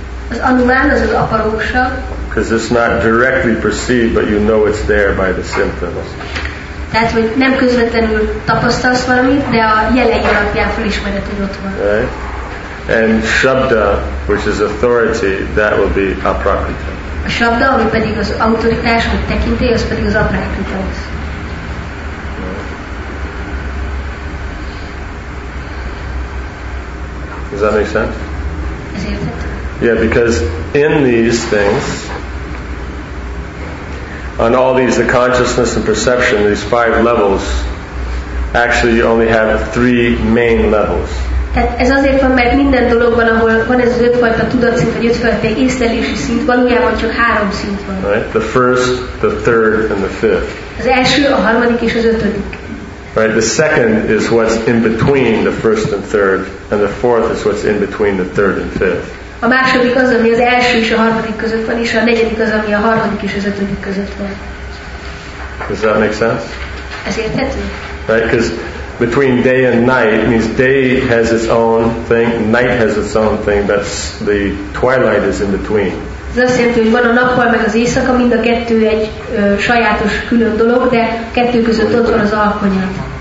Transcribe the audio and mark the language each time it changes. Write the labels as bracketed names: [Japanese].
[Hungarian] Az anuman az az aparoksha. [English] Because it's not directly perceived, but you know it's there by the symptoms. [Hungarian] Tehát, hogy nem közvetlenül tapasztalsz valamit, de a jelei alapján felismered, hogy ott van. [English] Right. And shabda, which is authority, that will be aprakrita. [Hungarian] A shabda, ami pedig az autoritás, vagy tekintély, az pedig az aprakrita. [English] Does that make sense? Yeah, because in these things, on all these, the consciousness and perception, these five levels, actually you only have three main levels. [Hungarian] Tehát ez azért van, mert minden dologban, ahol van ez az ötfajta tudatszint, vagy ötfajta észlelési szint, valójában csak három szint van. [English] Right? The first, the third, and the fifth. [Hungarian] Az első, a harmadik és az ötödik. [English] Right, the second is what's in between the first and third, and the fourth is what's in between the third and fifth. [Hungarian] A második az, ami az első és a harmadik között van, és a negyedik az, ami a harmadik és az ötödik között van. [English] Does that make sense? [Hungarian] Ez érthető. [English] Right, because between day and night means day has its own thing, night has its own thing, but the twilight is in between. [Hungarian] Ez azt jelenti, hogy van a nappal meg az éjszaka, mind a kettő egy sajátos külön dolog, de kettő között ott van az alkonyat.